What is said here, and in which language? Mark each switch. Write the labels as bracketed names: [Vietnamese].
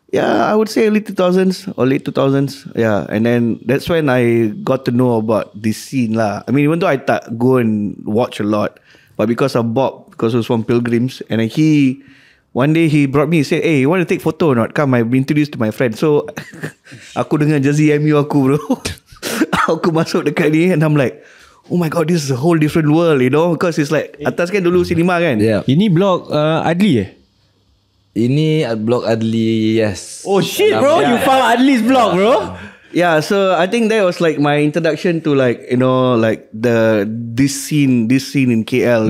[English] Yeah, I would say early 2000s or late 2000s. Yeah. And then that's when I got to know about this scene lah. I mean, even though I go and watch a lot, but because of Bob, because it was from Pilgrims, and then he. One day he brought me, he said, hey, you want to take photo or not? Come, I've introduced to my friend. [Malay] So, aku dengan jersey MU aku, bro. [English] Aku masuk dekat ni and I'm like, oh my God, this is a whole different world, you know? Because it's like, atas kan dulu cinema kan? [Malay] Yeah. Ini blog Adli eh? Ini blog Adli, yes. [English] Oh shit, bro. Yeah. You found Adli's blog, bro. Yeah, so I think that was like my introduction to like, you know, like this scene in KL.